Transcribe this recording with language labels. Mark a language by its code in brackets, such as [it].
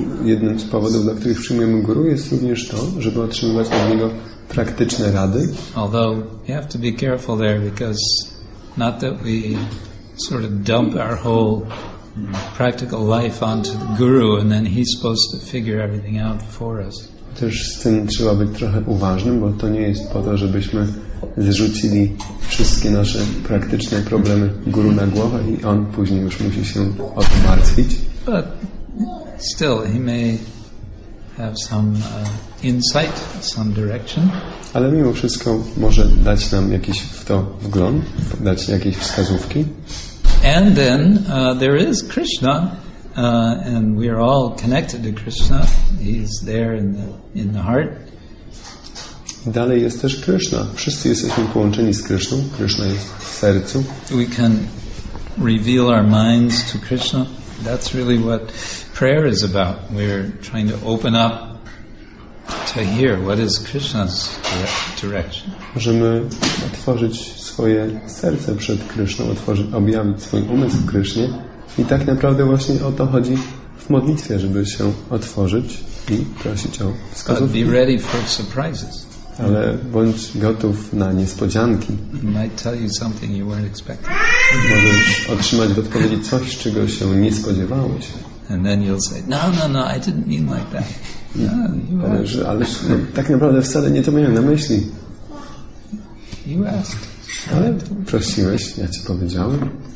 [pl] Jednym z powodów, dla których przyjmujemy guru, jest również to, żeby otrzymywać od niego praktyczne rady. [en] Although you have to be careful there, because not that we sort of dump our whole practical life onto the guru and then he's supposed to figure everything out for us. [pl] Też z tym trzeba być trochę uważnym, bo to nie jest po to, żebyśmy zrzucili wszystkie nasze praktyczne problemy guru na głowę i on później już musi się o to martwić. [en] But still, he may have some insight, some direction. [pl] Ale mimo wszystko może dać nam jakiś w to wgląd, dać jakieś wskazówki. [en] And then there is Krishna, and we are all connected to Krishna. He's there in the heart. [pl] I dalej jest też Krishna. Wszyscy jesteśmy połączeni z Krishną. Krishna jest w sercu. [en] We can reveal our minds to Krishna. That's really what prayer is about. We're trying to open up to hear what is Krishna's direction. [pl] Możemy otworzyć swoje serce przed Krishną, objawić swój umysł Krishnie. I tak naprawdę właśnie o to chodzi w modlitwie, żeby się otworzyć i prosić o wskazówki. [en] But be ready for surprises. [pl] Ale bądź gotów na niespodzianki. [en] Might tell you something you weren't expecting. [pl] Możesz otrzymać w odpowiedzi coś, czego się nie spodziewałeś. [en] And then you'll say, no, I didn't mean like that. [pl] Ale tak naprawdę wcale nie to miałem na myśli. [en] You asked. [pl] Ale prosiłeś, ja ci powiedziałem.